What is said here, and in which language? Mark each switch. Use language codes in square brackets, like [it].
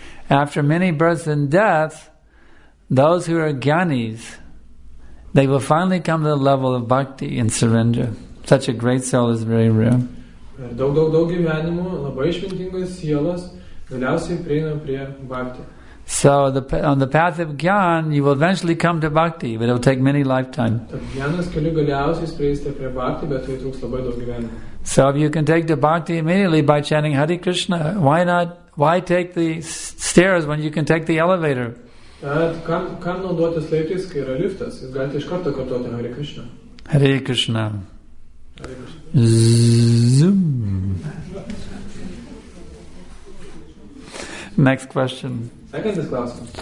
[en] After many births and deaths, those who are gyanis, they will finally come to the level of bhakti and surrender. Such a great soul is very rare. [lt] Daug gyvenimų, labai išmintingos sielos, galiausiai prieina prie bhakti. [en] So, on the path of gyan, you will eventually come to bhakti, but it will take many lifetimes. [lt] Gyanas keliu galiausiai prieisite prie bhakti, bet tai truks labai daug gyvenimų. [en] So, if you can take the bhakti immediately by chanting Hare Krishna, why not, why take the stairs when you can take the elevator? [lt] Tad, kam naudotis laiptis, kai yra liftas? Jūs galite iš karto kartuoti Hare Krishna. [en] Hare Krishna. Zoom. Next question. Second is class.